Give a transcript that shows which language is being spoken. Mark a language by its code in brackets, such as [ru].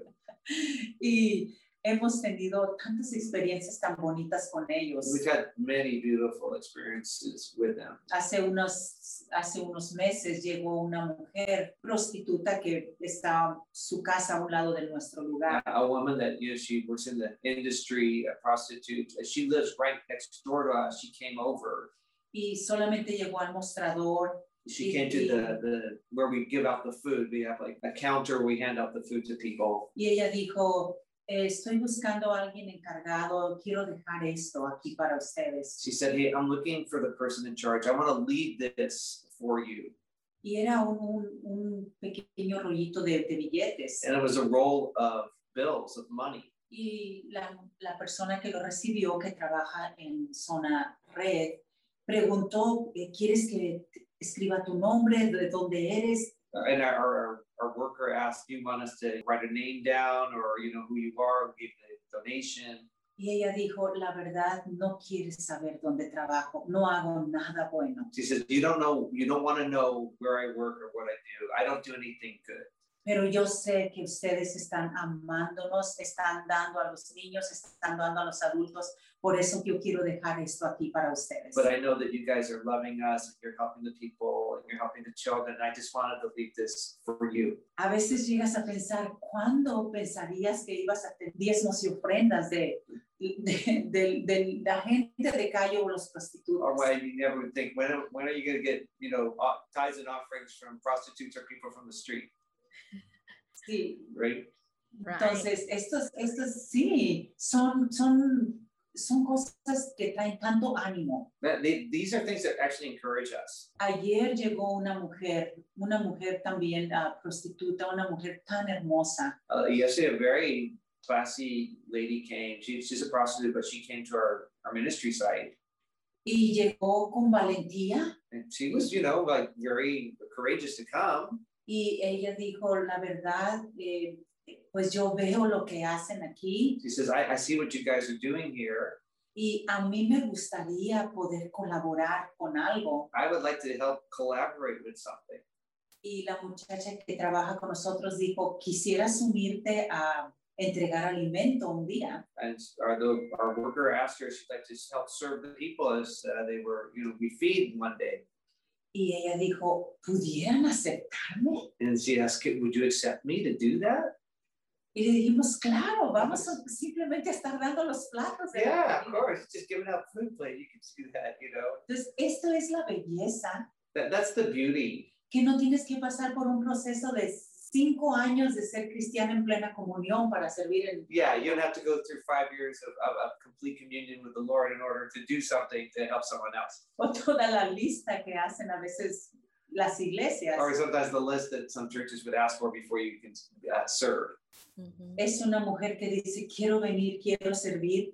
[en] know. [es] Hemos tenido tantas experiencias tan bonitas con ellos. [en] We've had many beautiful experiences with them. [es] Hace unos meses llegó una mujer prostituta que estaba su casa a un lado de nuestro lugar. [en] A woman that, you know, she works in the industry, a prostitute. She lives right next door to us. She came over. [es] Y solamente llegó al mostrador. [en] She came to the where we give out the food. We have like a counter where we hand out the food to people. [es] Y ella dijo, estoy buscando a alguien encargado. Quiero dejar esto aquí para ustedes. [en] She said, hey, I'm looking for the person in charge. I want to lead this for you. [es] Y era un pequeño rollito de billetes. [en] And it was a roll of bills, of money. [es] Y la persona que lo recibió, que trabaja en Zona Red, preguntó, ¿quieres que escriba tu nombre? ¿De dónde eres? [en] And our worker asked, do you want us to write a name down, or, you know, who you are, give the donation? [es] Y ella dijo, la verdad, no quieres saber dónde trabajo. No hago nada bueno. [en] She says, you don't want to know where I work or what I do. I don't do anything good. [es] Pero yo sé que ustedes están amándonos, están dando a los niños, están dando a los adultos. Por eso yo quiero dejar esto aquí para ustedes. [en] But I know that you guys are loving us, and you're helping the people, and you're helping the children. I just wanted to leave this for you. [es] A veces llegas a pensar, ¿cuándo pensarías que ibas a tener diezmos y ofrendas de la gente de calle o los prostitutos? [en] Or why you never would think, when are you going to get, you know, tithes and offerings from prostitutes or people from the street? [es] Sí. [en] Right? Right. [es] Entonces, estos sí, son son cosas que traen tanto ánimo. [en] These are things that actually encourage us. [es] Ayer llegó una mujer también prostituta, una mujer tan hermosa. [en] Yesterday, a very classy lady came. She's a prostitute, but she came to our ministry site. [es] Y llegó con valentía. [en] And she was, you know, like very courageous to come. [es] Y ella dijo, la verdad, pues yo veo lo que hacen aquí. [en] She says, I see what you guys are doing here. [es] Y a mí me gustaría poder colaborar con algo. [en] I would like to help collaborate with something. [es] Y la muchacha que trabaja con nosotros dijo, quisieras unirte a entregar alimento un día. [en] And our worker asked her if she'd like to help serve the people as they were, you know, we feed one day. [es] Y ella dijo, ¿pudieran aceptarme? [en] And she asked, would you accept me to do that? [es] Y le dijimos, claro, vamos a simplemente estar dando los platos. [en] Yeah, of course, just giving out food plate, you can do that, you know. [es] Entonces, esto es la belleza. [en] That's the beauty. [es] Que no tienes que pasar por un proceso de 5 años de ser cristiano en plena comunión para servir en... [en] Yeah, you don't have to go through 5 years of complete communion with the Lord in order to do something to help someone else. [es] O toda la lista que hacen a veces las iglesias. [en] Or sometimes the list that some churches would ask for before you can serve. Mm-hmm. [es] Es una mujer que dice, quiero venir, quiero servir.